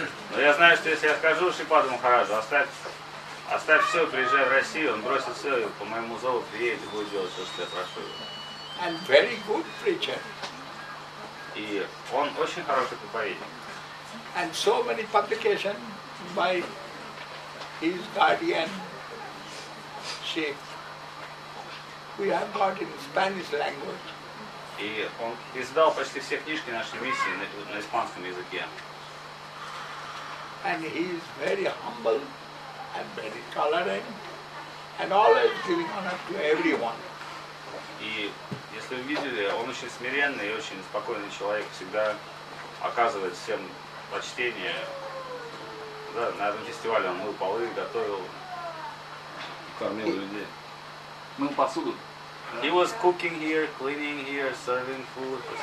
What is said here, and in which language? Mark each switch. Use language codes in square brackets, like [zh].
[ru] Но я знаю, что если я скажу Шипаду Махараджу, оставь все, приезжай в Россию, он бросит все, и по моему зову приедет и будет делать все, что я прошу его. [en] And very good preacher. [ru] И он очень хороший проповедник. [en] And so many publications by his guardian ship. We have got in Spanish language. [ru] И он издал почти все книжки нашей миссии на испанском языке. [en] And he is very humble and very tolerant and always giving honor to everyone. [ru] И если вы видели, он очень смиренный и очень спокойный человек, всегда оказывает всем почтение. Да, на этом фестивале он мыл полы, готовил, кормил людей. Мыл посуду. [en] He was cooking here, cleaning here, serving food.